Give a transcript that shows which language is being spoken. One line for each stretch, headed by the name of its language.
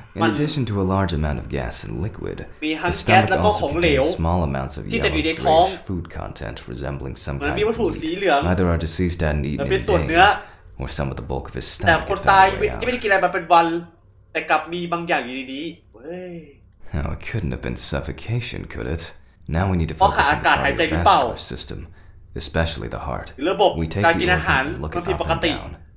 English: In addition to a large amount of gas and liquid,
Thai: มีทั้งแก๊สแล้วก็ของเหลวที่ จะอยู่ ในท้อง
English: มี food content resembling some kind of
Thai: มีวัตถุสีเหลือง
English: Either our deceased hadn't eaten any things, or some of the bulk of his stomach
Thai: แต่คนตายไม่ได้กินอะไรมาเป็นวันแต่กลับมีบางอย่างอยู่ในนี้เว้ย
English: Oh, it couldn't have been suffocation, could it? Now we need to focus on the cardiovascular system, especially the heart. We take the organ and look it up and down